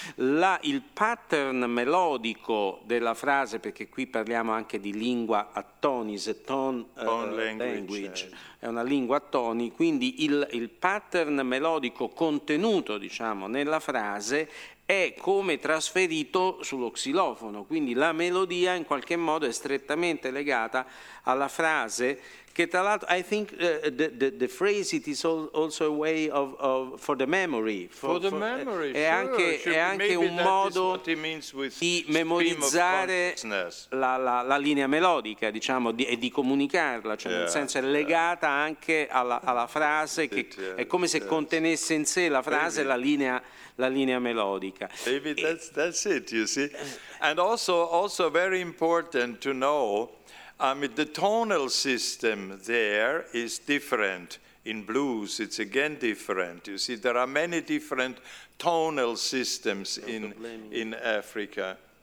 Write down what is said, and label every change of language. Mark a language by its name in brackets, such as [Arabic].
[Italian] Il pattern melodico della frase, perché qui parliamo anche di lingua a toni, [English] tone language. [Italian] È una lingua a toni, quindi il pattern melodico contenuto, diciamo, nella frase è come trasferito sullo xilofono, quindi la melodia in qualche modo è strettamente legata alla frase Che tra l'altro, [English] I think the phrase it is also a way of for the memory. For the memory, [Italian] è anche, [English] sure. [Italian] È anche un modo di memorizzare la linea melodica, diciamo, di comunicarla, cioè nel senso è legata anche alla frase, che è come se contenesse in sé la frase e la linea melodica. [English] Maybe that's it, you see. And also very important to know, I mean, the tonal system there is different. In blues, it's again different. You see, there are many different tonal systems in Africa.